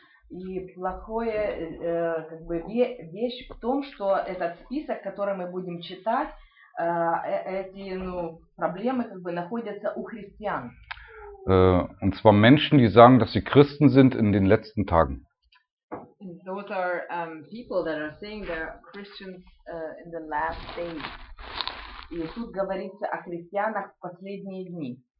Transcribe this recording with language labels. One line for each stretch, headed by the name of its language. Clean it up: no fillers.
Russian: И плохое как бы вещь в том, что этот список, который мы будем читать, эти ну проблемы как бы находятся у христиан.
German: Und zwar Menschen, die sagen, dass sie Christen sind in den letzten Tagen.
English: Those are people that are saying they're Christians in the last days.
Russian: И тут говорится о христианах в последние дни.